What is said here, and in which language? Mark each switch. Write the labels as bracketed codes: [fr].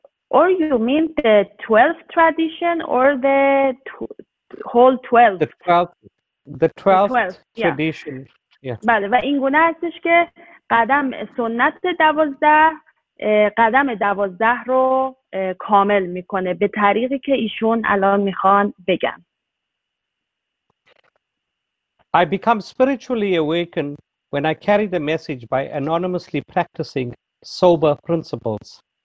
[en] Or you mean the 12th tradition or the whole 12th? The 12th tradition. Yeah. [fa] بله، و این گونه هستش که قدم سنت 12 قدم 12 رو کامل میکنه به طریقی که ایشون الان میخوان بگن. [en] I become spiritually awakened when I carry the message by anonymously practicing sober principles.